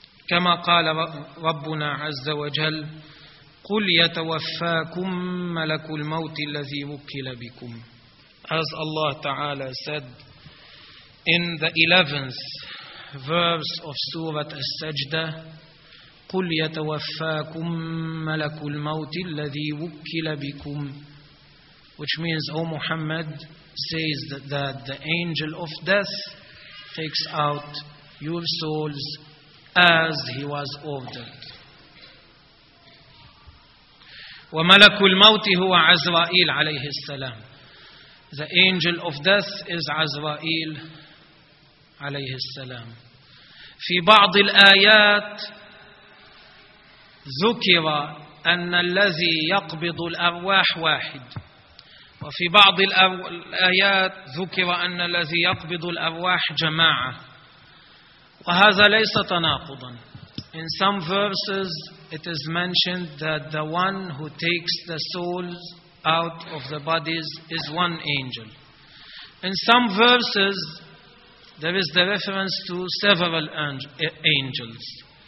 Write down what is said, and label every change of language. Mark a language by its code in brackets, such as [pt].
[ar] كما قال ربنا عز وجل قل يتوفاكم ملك الموت الذي وكل بكم. [en] As Allah Ta'ala said in the 11th verse of Surah As-Sajdah, [ar] قل يتوفاكم ملك الموت الذي وكل بكم, [en] which means, O Muhammad, says that the angel of death takes out your souls as he was ordered. [ar] وملك الموت هو عزرائيل عليه السلام. [en] The angel of death is عزرائيل [ar] عليه السلام. في بعض الآيات ذكر أن الذي يقبض الأرواح واحد, وفي بعض الآيات ذكر أن الذي يقبض الأرواح جماعة, وهذا ليس تناقضا. [en] In some verses it is mentioned that the one who takes the souls out of the bodies is one angel. In some verses there is the reference to several angels.